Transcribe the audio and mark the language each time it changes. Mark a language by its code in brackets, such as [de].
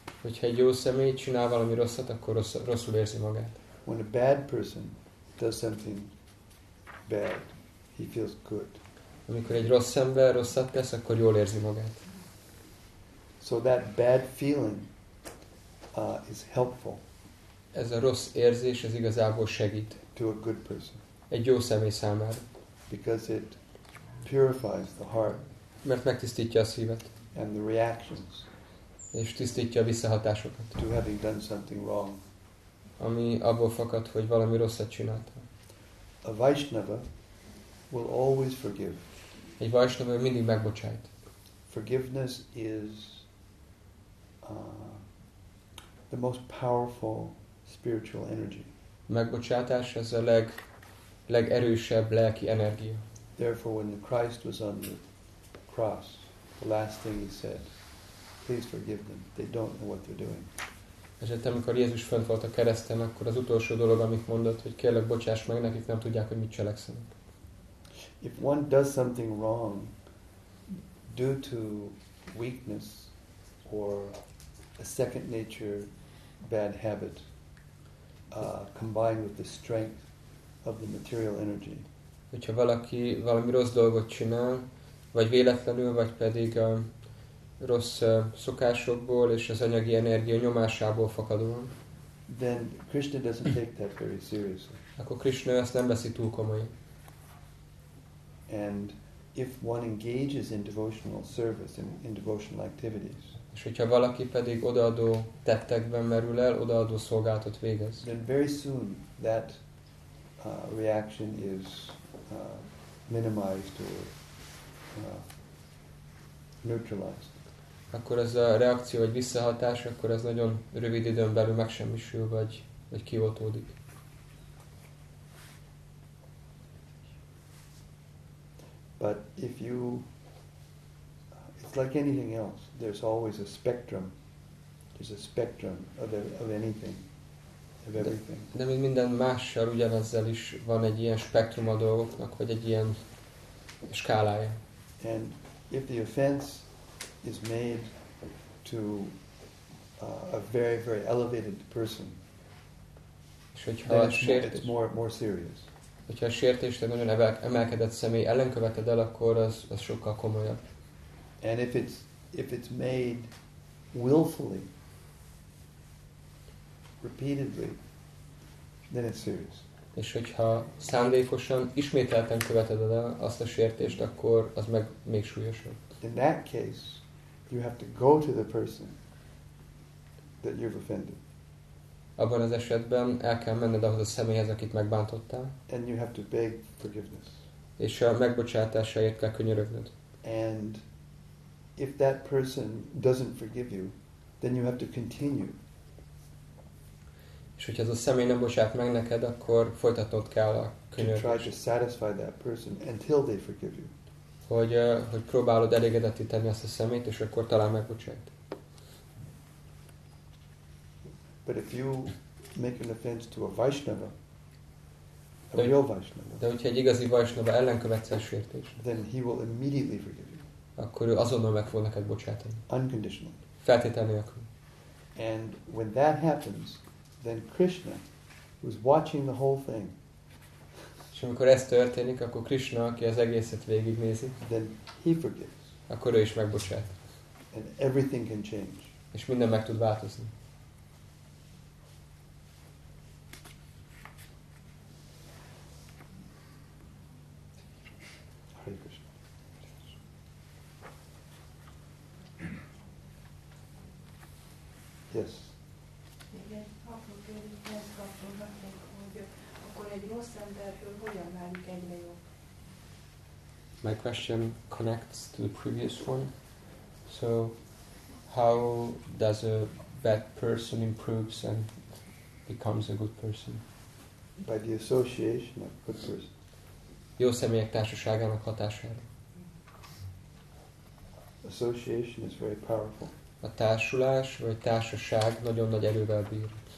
[hu] Hogyha egy jó személy csinál valami rosszat, akkor rosszul érzi magát. [en] When a bad person does something bad, he feels good. [hu] Amikor egy rossz ember rosszat tesz, akkor jól érzi magát. [en] So that bad feeling is helpful. [hu] Ez a rossz érzés, ez igazából segít. [en] To a good person. [hu] Egy jó személy számára. [en] Because it purifies the heart. [hu] Mert megtisztítja a szívet. [en] And the reactions. [hu] És tisztítja a visszahatásokat. [en] To having done something wrong. [hu] Ami abból fakad, hogy valami rosszat csinálta. [en] A Vaishnava will always forgive. [hu] Egy Vaishnava mindig megbocsájt. [en] Forgiveness is the most powerful spiritual energy. [hu] Megbocsátás ez a legerősebb lelki energia. [en] Therefore, when the Christ was on the cross, the last thing he said, "Please forgive them. They don't know what they're doing." [hu] Ezért amikor Jézus fönt volt a kereszten, akkor az utolsó dolog, amit mondott, hogy kérlek, bocsáss meg nekik, nem tudják, hogy mit cselekszenek. [en] If one does something wrong due to weakness or a second nature bad habit, combined with the strength of the material energy. [hu] Hogyha valaki valami rossz dolgot csinál, vagy véletlenül, vagy pedig a rossz szokásokból és az anyagi energia nyomásából fakadóan, [en] then Krishna doesn't take that very seriously. [hu] Akkor Krishna ezt nem veszi túl komolyan. [en] And if one engages in devotional service, in devotional activities, [hu] és hogyha valaki pedig odaadó tettekben merül el, odaadó szolgálatot végez, [en] then very soon that reaction is minimized or neutralized. [hu] Akkor ez a reakció vagy visszahatás, akkor ez nagyon rövid időn belül megsemmisül vagy kioltódik. [en] But if you, it's like anything else. There's always a spectrum. There's a spectrum of anything. [hu] De mint minden mással, ugyanezzel is van egy ilyen spektrum a dolgoknak, vagy egy ilyen skálája. [en] And if the offense is made to a very, very elevated person, [hu] és hogyha a sértés, [en] it's more serious. [hu] Hogyha a sértést egy nagyon emelkedett személy ellen követed el, akkor az sokkal komolyabb. [en] And if it's made willfully, repeatedly, then it's serious. [hu] És hogyha szándékosan, ismételten követed el azt a sértést, akkor az meg még súlyosabb. [en] In that case, you have to go to the person that you've offended. [hu] abban az esetben el kell menned ahhoz a személyhez, akit megbántottál. [en] And you have to beg forgiveness. [hu] És a megbocsátásáért kell könyörögnöd. [en] And if that person doesn't forgive you, then you have to continue. [hu] És hogyha ez a személy nem bocsát meg neked, akkor folytatnod kell a könyörgést. [en] To try to satisfy that person until they forgive you. [hu] Hogy próbálod elégedetté tenni ezt a szemét, és akkor talán megbocsát. [en] But if you make an offense to a Vaishnava, a real Vaishnava, [hu] de hogyha egy igazi Vaishnava ellen követsz el sértést, [en] then he will immediately forgive you. [hu] Akkor ő azonnal meg fog neked bocsátani. [en] Unconditionally. [hu] Feltétel nélkül. [en] And when that happens, then Krishna, who's watching the whole thing, [hu] és amikor ez történik, akkor Krishna, aki az egészet végignézi, [en] then he forgives. [hu] Akkor ő is megbocsát. [en] And everything can change. [hu] És minden meg tud változni. [en] Yes. My question connects to the previous one. So, how does a bad person improves and becomes a good person? By the association of good person. [hu] Jó személyek társaságának hatására. [en] Association is very powerful. [hu] A társulás vagy társaság nagyon nagy erővel bír.